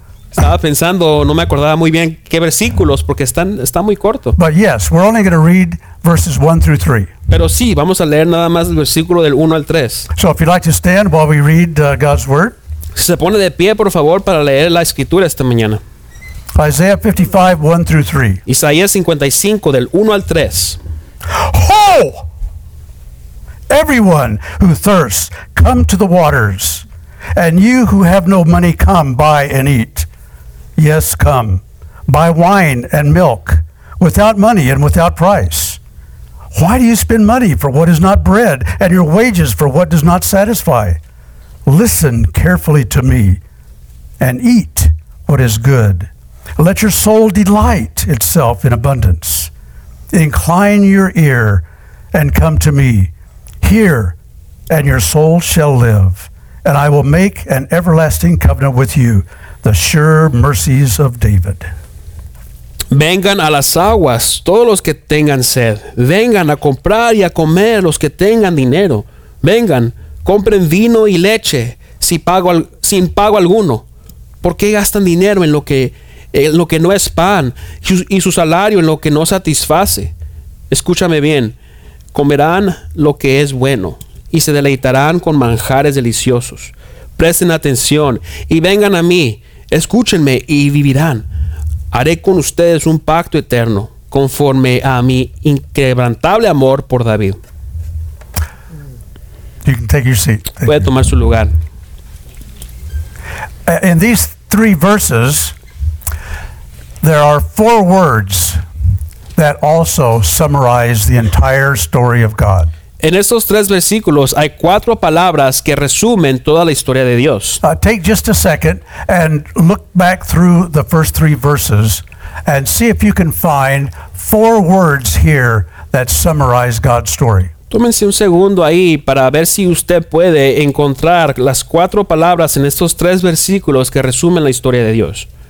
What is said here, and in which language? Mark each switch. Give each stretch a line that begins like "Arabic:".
Spanish: Estaba pensando, no me acordaba muy bien qué versículos, porque está muy corto.
English: But yes, we're only going to read verses 1 through 3.
Spanish: Pero sí, vamos a leer nada más el versículo del 1 al 3.
English: So if you'd like to stand while we read God's word.
Spanish: Se pone de pie, por favor, para leer la escritura esta mañana.
English: Isaiah 55, 1 through 3.
Spanish: Isaías 55, del 1 al 3.
English: Ho! Everyone who thirsts, come to the waters. And you who have no money, come, buy and eat. Yes, come. Buy wine and milk without money and without price. Why do you spend money for what is not bread, and your wages for what does not satisfy? Listen carefully to me, and eat what is good. Let your soul delight itself in abundance. Incline your ear and come to me. Hear, and your soul shall live, and I will make an everlasting covenant with you, the sure mercies of David.
Spanish: Vengan a las aguas todos los que tengan sed. Vengan a comprar y a comer los que tengan dinero. Vengan, compren vino y leche sin pago alguno. ¿Por qué gastan dinero en lo que no es pan y su salario en lo que no satisface? Escúchame bien. Comerán lo que es bueno y se deleitarán con manjares deliciosos. Presten atención y vengan a mí. Escúchenme y vivirán. Haré con ustedes un pacto eterno conforme a mi inquebrantable amor por David.
English: You can take your seat. Thank
Spanish: Puede tomar su lugar.
English: In these three verses, there are four words that also summarize the entire story of God.
Spanish: En estos tres versículos hay cuatro palabras que resumen toda la historia de Dios.
English: Take just a second and look back through the first three verses and see if you can find four words here that summarize God's story.
Spanish: Tómense un segundo ahí para ver si usted puede encontrar las cuatro palabras en estos tres versículos que resumen la historia de Dios.